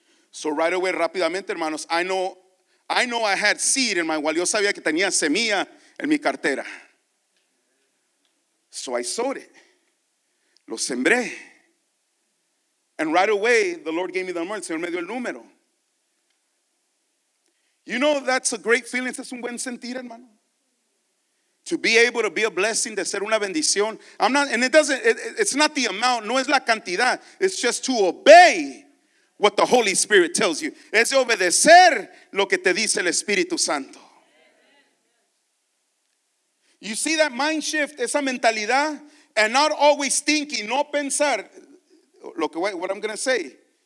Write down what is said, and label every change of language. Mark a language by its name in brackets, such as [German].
[English] So right away, [Spanish] rápidamente, hermanos, [English] I had seed in my wallet, [Spanish] yo sabía que tenía semilla en mi cartera. [English] So I sowed it. [Spanish] Lo sembré. [English] And right away, the Lord gave me the number. [Spanish] El Señor me dio el número. [English] You know, that's a great feeling. [Spanish] Es un buen sentir, hermano. [English] To be able to be a blessing, [Spanish] de ser una bendición. [English] It's not the amount. [Spanish] No es la cantidad. [English] It's just to obey what the Holy Spirit tells you. [Spanish] Es obedecer lo que te dice el Espíritu Santo. [English] You see that mind shift, [Spanish] esa mentalidad, [English] and not always thinking, [Spanish] no pensar, [English] what I'm going to say.